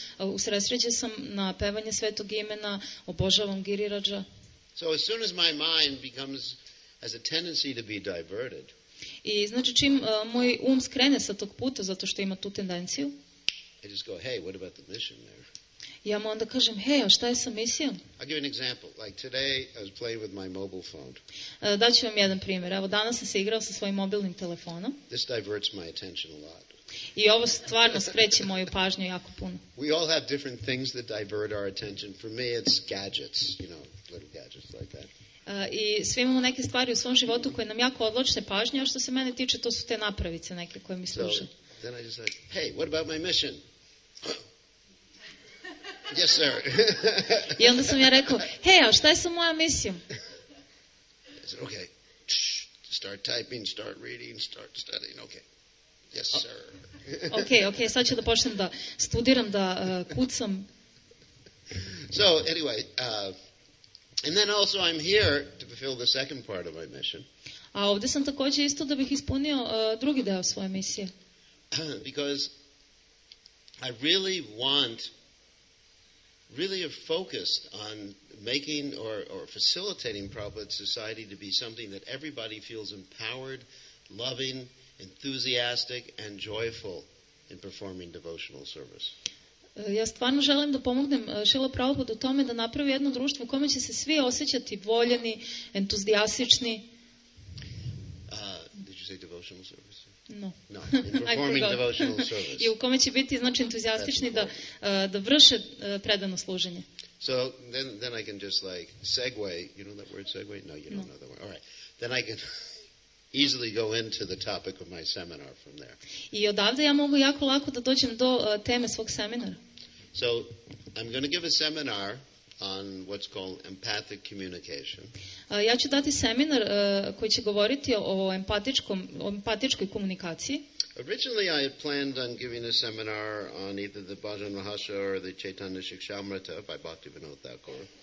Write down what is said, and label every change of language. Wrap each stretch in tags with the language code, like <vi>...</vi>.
<sr>Usredsređen sam na pevanje svetog imena, obožavam Girirađa.</sr> <en>So as soon as my mind becomes has a tendency to be diverted.</en> <sr>I znači čim moj um skrene sa tog puta zato što ima tu tendenciju.</sr> <en>I just go, hey, what about the mission there?</en> <sr>Ja mu onda kažem, hej, a šta je sa misijom?</sr> <en>I'll give an example. Like today, I was playing with my mobile phone.</en> <sr>Daću vam jedan primjer. Evo, danas sam se igrao sa svojim mobilnim telefonom.</sr> <en>This diverts my attention a lot.</en> <sr>I ovo stvarno skreće moju pažnju jako puno.</sr> <en>We all have different things that divert our attention. For me, it's gadgets, you know, little gadgets like that.</en> <sr>I svi imamo neke stvari u svom životu koje nam jako odvlače pažnju, a što se mene tiče, to su te napravice neke koje mi služe.</sr> <en>So, then I just said, hey, what about my mission? Yes, sir.</en> <sr>I onda sam ja rekao, hey, a šta je sa mojom misijom?</sr> <en>I said, okay, start typing, start reading, start studying, okay. Yes, sir.</en> <sr>Okay, sad ću da počnem da studiram, da kucam.</sr> <en>So, anyway, and then also I'm here to fulfill the second part of my mission.</en> <sr>A ovde sam takođe isto da bih ispunio drugi deo svoje misije.</sr> <en>Because I really want, really are focused on making or facilitating Prabhupada's society to be something that everybody feels empowered, loving, enthusiastic, and joyful in performing devotional service.</en> <sr>Ja stvarno želim da pomognem Šila Prabhupada u tome da napravi jedno društvo u kome će se svi osjećati voljeni, entuzijastični.</sr> <en>Did you say devotional service? No. In performing devotional service.</en> <sr>I u kome će biti, znači, entuzijastični da vrše predano služenje.</sr> <en>So, then I can just like segue. You know that word segue? No, you don't know that word. All right. Then I can easily go into the topic of my seminar from there.</en> <sr>I odavde ja mogu jako lako da dođem do teme svog seminara.</sr> <en>So, I'm going to give a seminar on what's called empathic communication.</en> <sr>Ja ću dati seminar koji će govoriti o empatičkoj komunikaciji.</sr> <en>Originally I had planned on giving a seminar on either the Bhajan Mahasa or the Chaitanya Shikshamrita by Bhaktivinoda Thakur.</en>